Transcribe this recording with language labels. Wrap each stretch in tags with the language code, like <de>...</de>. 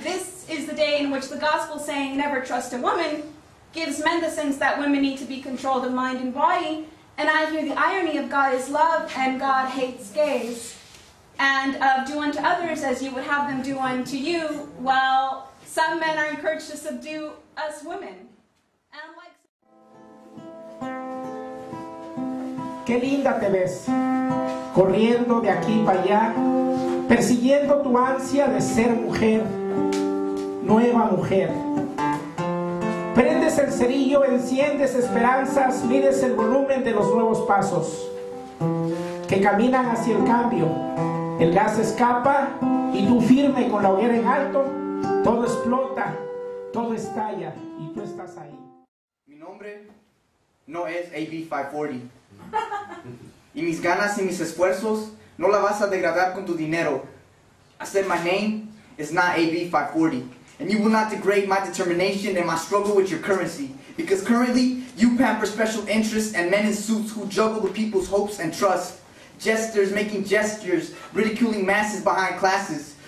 <en>This is the day in which the gospel saying, never trust a woman, gives men the sense that women need to be controlled in mind and body. And I hear the irony of God is love and God hates gays. And of do unto others as you would have them do unto you, while some men are encouraged to subdue us women.</en> <es>Qué linda te ves, corriendo de aquí para allá, persiguiendo tu ansia de ser mujer, nueva mujer. Prendes el cerillo, enciendes esperanzas, mides el volumen de los nuevos pasos, que caminan hacia el cambio. El gas escapa y tú firme con la hoguera en alto, todo explota, todo estalla y tú estás ahí. Mi nombre no es AB540. Y mis ganas y mis esfuerzos no la vas a degradar con tu dinero.</es> <en>I said my name is not AB540, and you will not degrade my determination and my struggle with your currency, because currently you pamper special interests and men in suits who juggle the people's hopes and trust. Jesters making gestures, ridiculing masses behind classes.</en>